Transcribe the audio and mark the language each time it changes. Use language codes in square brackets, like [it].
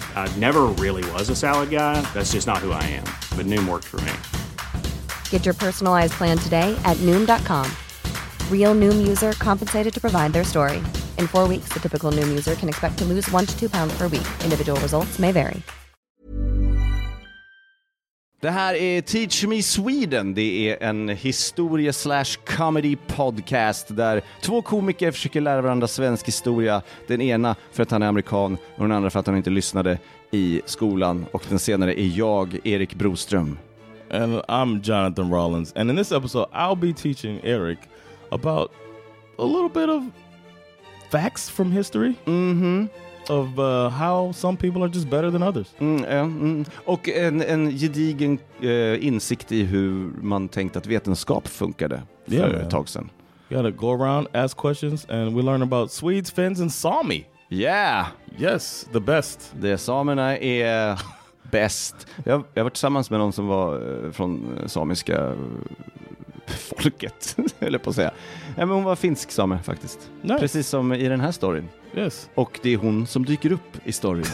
[en] I never really was a salad guy. That's just not who I am. But Noom worked for me. Get your personalized plan today at Noom.com. Real Noom user compensated to provide their story. In 4 weeks, the typical Noom user can expect to lose 1 to 2 pounds per week. Individual results may vary. [sv] Det här är Teach Me Sweden. Det är en historie/comedy-podcast där två komiker försöker lära varandra svensk historia. Den ena för att han är amerikan och den andra för att han inte lyssnade i skolan. Och den senare är jag, Erik Broström. [en] And I'm Jonathan Rollins. And in this episode, I'll be teaching Eric about a little bit of facts from history. Mm-hmm. Of how some people are just better than others. [sv] Och en gedigen insikt i hur man tänkt att vetenskap funkade för ett tag sedan. [en] You gotta go around, ask questions, and we learn about Swedes, Finns, and Sami. Yeah. Yes, the best. [sv] De samerna är bäst. Jag har varit tillsammans med någon som var från samiska folket, eller på att säga. Ja, men hon var finsk same faktiskt. [en] Nice. [sv] Precis som i den här storyn. [en] Yes. [sv] Och det är hon som dyker upp i storyn.